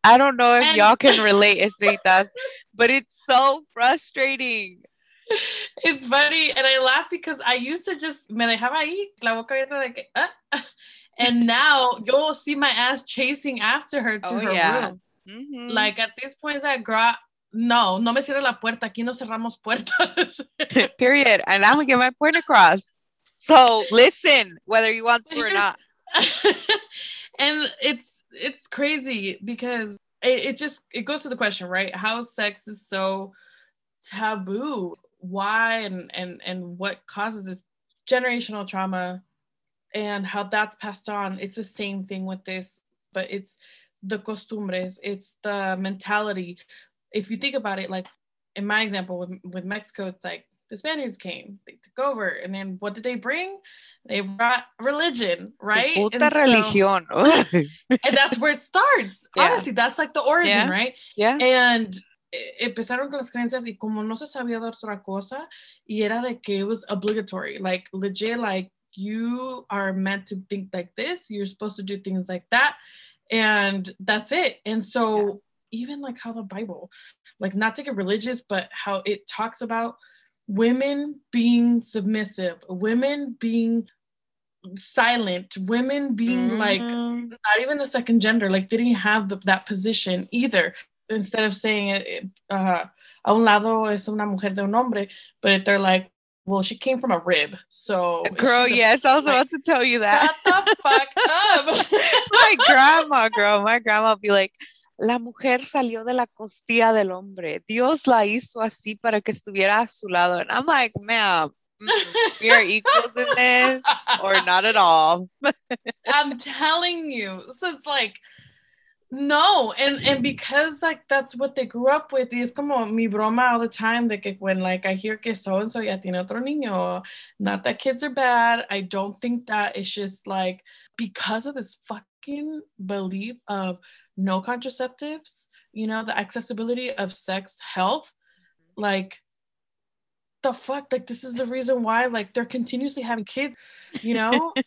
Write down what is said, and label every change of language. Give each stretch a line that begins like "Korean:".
English: I don't know if y'all can relate, Estritas, but it's so frustrating. It's funny. And I laugh because I used to just
Spanish: me dejaba ahí, la boca abierta,
English: like, and now you'll see my ass chasing after her to her room. Mm-hmm. Like at this point, that girl,
Spanish: no me cierra la puerta. Aquí no cerramos puertas.
English: Period. And I'm going to get my point across. So listen, whether you want to or not. And it's crazy because it goes to the question, right? How sex is so taboo. Why and what causes this generational trauma and how that's passed on. It's the same thing with this, but it's the costumbres. It's the mentality. If you think about it, like in my example with Mexico, it's like the Spaniards came, they took over. And then what did they bring? They brought religion, right?
Spanish: Su puta religión.
English: And that's where it starts. Yeah. Honestly, that's like the origin, yeah. Right? Yeah.
Spanish: And empezaron con las creencias y como no se sabía de otra cosa, y era de que
English: it was obligatory. Like, legit, like, you are meant to think like this. You're supposed to do things like that. And that's it. And so even like how the Bible, like not to get religious, but how it talks about women being submissive, women being silent, women being like not even a second gender, like they didn't have that position either. Instead of saying
Spanish: a un lado es una mujer de un hombre,
English: but if they're like, well, she came from a rib, so girl, yes, I was about to tell you that. Shut the fuck up. my grandma be like,
Spanish: la mujer salió de la costilla del hombre. Dios la hizo así para que estuviera a su lado.
English: And I'm like, ma'am, we are equals in this or not at all. I'm telling you. So it's like, no. And because like that's what they grew up with. It's
Spanish: como mi broma
English: all the time.
Spanish: De que
English: when like I hear
Spanish: que so-and-so ya tiene otro niño.
English: Not that kids are bad. I don't think that. It's just like because of this fucking belief of no contraceptives, you know, the accessibility of sex health, like the fuck, like this is the reason why like they're continuously having kids, you know.